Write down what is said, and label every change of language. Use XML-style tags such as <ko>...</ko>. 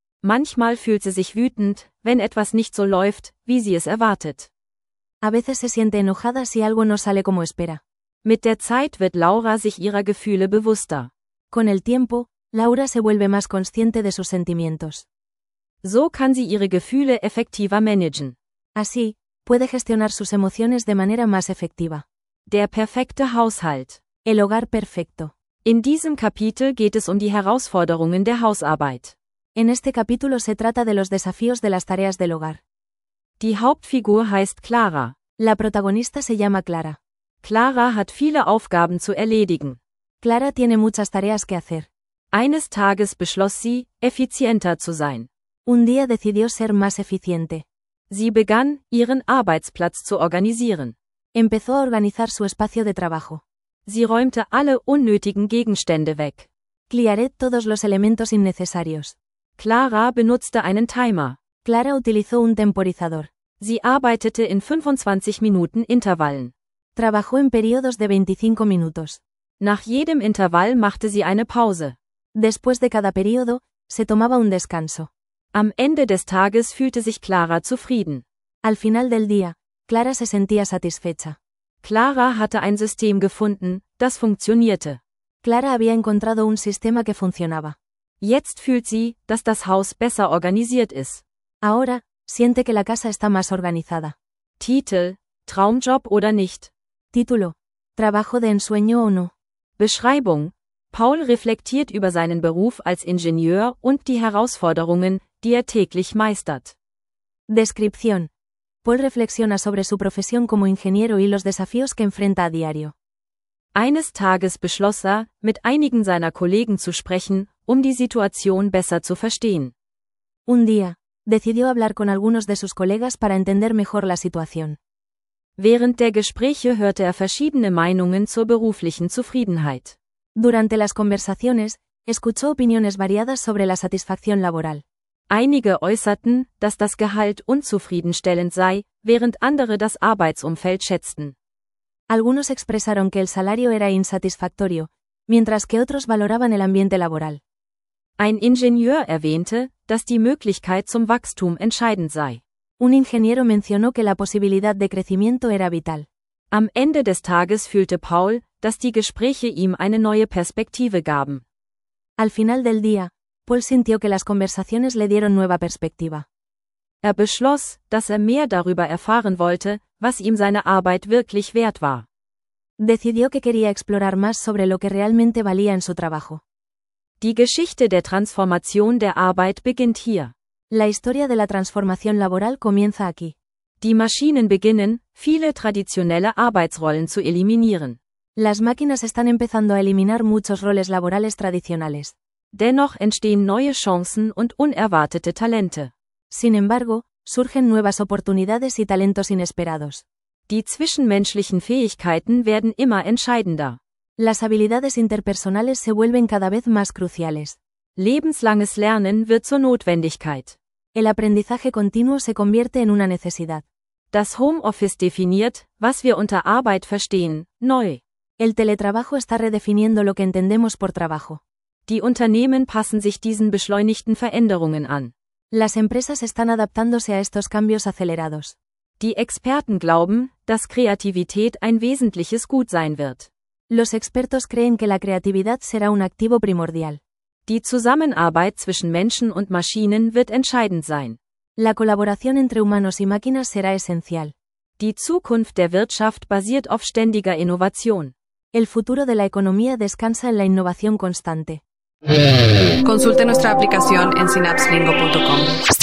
<de>Manchmal fühlt sie sich wütend, wenn etwas nicht so läuft, wie sie es erwartet.</de> <es>A veces se siente enojada si algo no sale como espera.</es> <de>Mit der Zeit wird Laura sich ihrer Gefühle bewusster.</de> <es>Con el tiempo, Laura se vuelve más consciente de sus sentimientos.</es> <de>So kann sie ihre Gefühle effektiver managen.</de> <es>Así, puede gestionar sus emociones de manera más efectiva.</es> <de>Der perfekte Haushalt.</de> <es>El hogar perfecto.</es> <de>In diesem Kapitel geht es um die Herausforderungen der Hausarbeit.</de> <es>En este capítulo se trata de los desafíos de las tareas del hogar.</es> <de>Die Hauptfigur heißt Clara.</de> <es>La protagonista se llama Clara.</es> <de>Clara hat viele Aufgaben zu erledigen.</de> <es>Clara tiene muchas tareas que hacer.</es> <de>Eines Tages beschloss sie, effizienter zu sein.</de> <es>Un día decidió ser más eficiente.</es> <de>Sie begann, ihren Arbeitsplatz zu organisieren.</de> <es>Empezó a organizar su espacio de trabajo.</es> <de>Sie räumte alle unnötigen Gegenstände weg.</de> <es>Clearé todos los elementos innecesarios.</es> <de>Clara benutzte einen Timer.</de> <es>Clara utilizó un temporizador.</es> <de>Sie arbeitete in 25 Minuten Intervallen.</de> <es>Trabajó en periodos de 25 minutos.</es> <de>Nach jedem Intervall machte sie eine Pause.</de> <es>Después de cada periodo, se tomaba un descanso.</es> <de>Am Ende des Tages fühlte sich Clara zufrieden.</de> <es>Al final del día, Clara se sentía satisfecha.</es> <de>Clara hatte ein System gefunden, das funktionierte.</de> <es>Clara había encontrado un sistema que funcionaba.</es> <de>Jetzt fühlt sie, dass das Haus besser organisiert ist.</de> <es>Ahora, siente que la casa está más organizada.</es> <de>Titel: Traumjob oder nicht?</de> <es>Título: Trabajo de ensueño o no?</es> <de>Beschreibung: Paul reflektiert über seinen Beruf als Ingenieur und die Herausforderungen, die er täglich meistert.</de> <es>Descripción: Paul reflexiona sobre su profesión como ingeniero y los desafíos que enfrenta a diario.</es> <de>Eines Tages beschloss er, mit einigen seiner Kollegen zu sprechen, um die Situation besser zu verstehen.</de> <es>Un día, decidió hablar con algunos de sus colegas para entender mejor la situación.</es> <de>Während der Gespräche hörte er verschiedene Meinungen zur beruflichen Zufriedenheit.</de> <es>Durante las conversaciones, escuchó opiniones variadas sobre la satisfacción laboral.</es> <de>Einige äußerten, dass das Gehalt unzufriedenstellend sei, während andere das Arbeitsumfeld schätzten.</de> <es>Algunos expresaron que el salario era insatisfactorio, mientras que otros valoraban el ambiente laboral.</es> <de>Ein Ingenieur erwähnte, dass die Möglichkeit zum Wachstum entscheidend sei.</de> <es>Un ingeniero mencionó que la posibilidad de crecimiento era vital.</es> <de>Am Ende des Tages fühlte Paul, dass die Gespräche ihm eine neue Perspektive gaben.</de> <es>Al final del día, Paul sintió que las conversaciones le dieron nueva perspectiva.</es> <de>Er beschloss, dass er mehr darüber erfahren wollte, was ihm seine Arbeit wirklich wert war.</de> <es>Decidió que quería explorar más sobre lo que realmente valía en su trabajo.</es> <de>Die Geschichte der Transformation der Arbeit beginnt hier.</de> <es>La historia de la transformación laboral comienza aquí.</es> <de>Die Maschinen beginnen, viele traditionelle Arbeitsrollen zu eliminieren.</de> <es>Las máquinas están empezando a eliminar muchos roles laborales tradicionales.</es> <de>Dennoch entstehen neue Chancen und unerwartete Talente.</de> <es>Sin embargo, surgen nuevas oportunidades y talentos inesperados.</es> <de>Die zwischenmenschlichen Fähigkeiten werden immer entscheidender.</de> <es>Las habilidades interpersonales se vuelven cada vez más cruciales.</es> <de>Lebenslanges Lernen wird zur Notwendigkeit.</de> <es>El aprendizaje continuo se convierte en una necesidad.</es> <de>Das Homeoffice definiert, was wir unter Arbeit verstehen, neu.</de> <es>El teletrabajo está redefiniendo lo que entendemos por trabajo.</es> <de>Die Unternehmen passen sich diesen beschleunigten Veränderungen an.</de> <es>Las empresas están adaptándose a estos cambios acelerados.</es> <de>Die Experten glauben, dass Kreativität ein wesentliches Gut sein wird.</de> <es>Los expertos creen que la creatividad será un activo primordial.</es> <de>Die Zusammenarbeit zwischen Menschen und Maschinen wird entscheidend sein.</de> <es>La colaboración entre humanos y máquinas será esencial.</es> <de>Die Zukunft der Wirtschaft basiert auf ständiger Innovation.</de> <es>El futuro de la economía descansa en la innovación constante. Consulte nuestra aplicación en synapslingo.com.</es>